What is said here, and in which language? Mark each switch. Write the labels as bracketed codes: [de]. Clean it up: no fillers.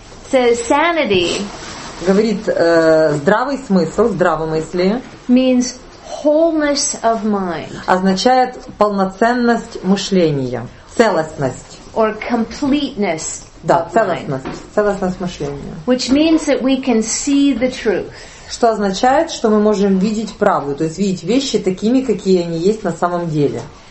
[en] Says sanity. [ru] Говорит здравый смысл, здравомыслие. [en] Means wholeness of mind. [ru] Означает полноценность мышления, целостность. [en] Or completeness. [ru] Да, целостность, целостность мышления. [en] Which means that we can see the truth. [ru] Что означает, что мы можем видеть правду, то есть видеть вещи такими, какие они есть на самом деле.